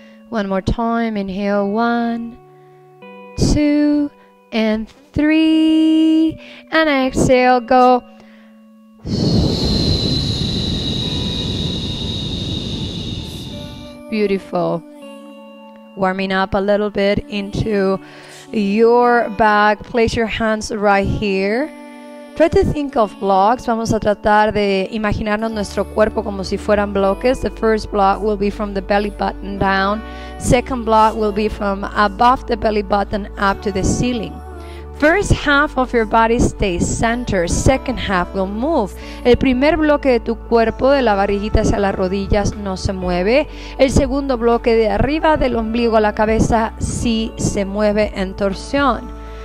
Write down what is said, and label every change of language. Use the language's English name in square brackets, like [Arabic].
[English] one more time, inhale, one, two, and three, and exhale, go. Beautiful. Warming up a little bit into your back. Place your hands right here. Try to think of blocks. [Spanish] Vamos a tratar de imaginarnos nuestro cuerpo como si fueran bloques. [English] The first block will be from the belly button down. Second block will be from above the belly button up to the ceiling. First half of your body stays center. Second half will move. [Spanish] El primer bloque de tu cuerpo, de la barriguita hacia las rodillas, no se mueve. El segundo bloque, de arriba del ombligo a la cabeza, sí se mueve en torsión.